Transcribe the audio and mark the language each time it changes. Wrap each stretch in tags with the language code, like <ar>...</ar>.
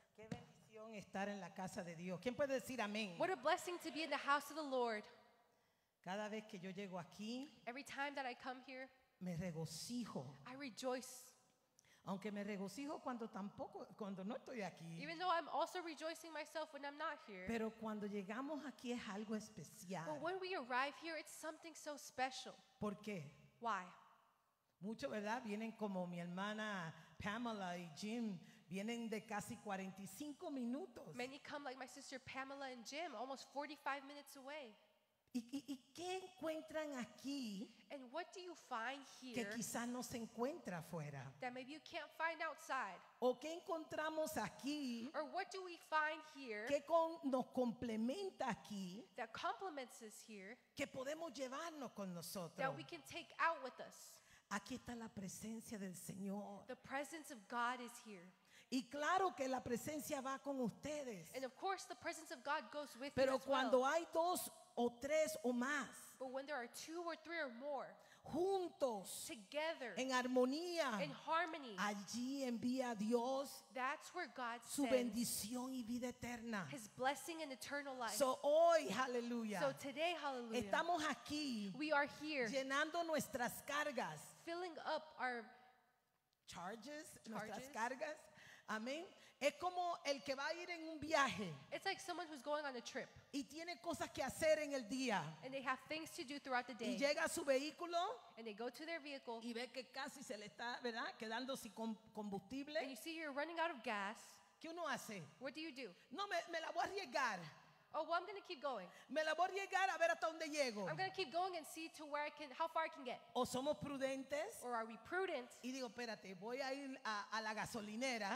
<es>Qué bendición estar en la casa de Dios. ¿Quién puede decir amén?</es> <en>What a blessing to be in the house of the Lord.</en> <es>Cada vez que yo llego aquí,</es> <en>every time that I come here,</en> <es>me regocijo.</es> <en>I rejoice.</en> <es>Aunque me regocijo cuando tampoco, cuando no estoy aquí.</es> <en>Even though I'm also rejoicing myself when I'm not here.</en> <es>Pero cuando llegamos aquí es algo especial.</es> <en>But when we arrive here, it's something so special.</en> <es>¿Por qué?</es> <en>Why?</en> <es>Mucho, ¿verdad? Vienen como mi hermana Pamela y Jim. Vienen de casi 45 minutos.</es> <en>Many come like my sister Pamela and Jim, almost 45 minutes away.</en> <es>¿Y qué encuentran aquí?</es> <en>And what do you find here?</en> <es>Que quizás no se encuentra afuera.</es> <en>That maybe you can't find outside.</en> <es>¿O qué encontramos aquí?</es> <en>Or what do we find here?</en> <es>Que con nos complementa aquí.</es> <en>That complements us here.</en> <es>Que podemos llevarnos con nosotros.</es> <en>That we can take out with us.</en> <es>Aquí está la presencia del Señor.</es> <en>The presence of God is here.</en> <es>Y claro que la presencia va con ustedes.</es> <en>And of course the presence of God goes with</en> <es>pero</es> <en>you as</en> <es>cuando</es> <en>well.</en> <es>Hay dos o tres o más,</es> <en>but when there are two or three or more,</en> <es>juntos,</es> <en>together,</en> <es>en armonía,</es> <en>in harmony,</en> <es>allí envía Dios,</es> <en>that's where God</en> <es>su bendición y vida eterna,</es> <en>his blessing and eternal life.</en> <es>So hoy, hallelujah,</es> <en>so today, hallelujah,</en> <es>estamos aquí,</es> <en>we are here,</en> <es>llenando nuestras cargas,</es> <en>filling up our charges, charges,</en> <es>nuestras cargas. Amén. Es como el que va a ir en un viaje.</es> <en>It's like someone who's going on a trip.</en> <es>Y tiene cosas que hacer en el día.</es> <en>And they have things to do throughout the day.</en> <es>Y llega a su vehículo.</es> <en>And they go to their vehicle.</en> <es>Y ve que casi se le está, ¿verdad? Quedando sin combustible.</es> <en>And you see you're running out of gas.</en> <es>¿Qué uno hace?</es> <en>What do you do?</en> <es>No, me la voy a arriesgar.</es> <en>Oh, well, I'm going to keep going.</en> <es>Me la voy a llegar a ver hasta dónde llego.</es> <en>I'm going to keep going and see to where I can, how far I can get.</en> <es>O somos prudentes.</es> <en>Or are we prudent?</en> <es>Y digo, espérate, voy a ir a la gasolinera.</es>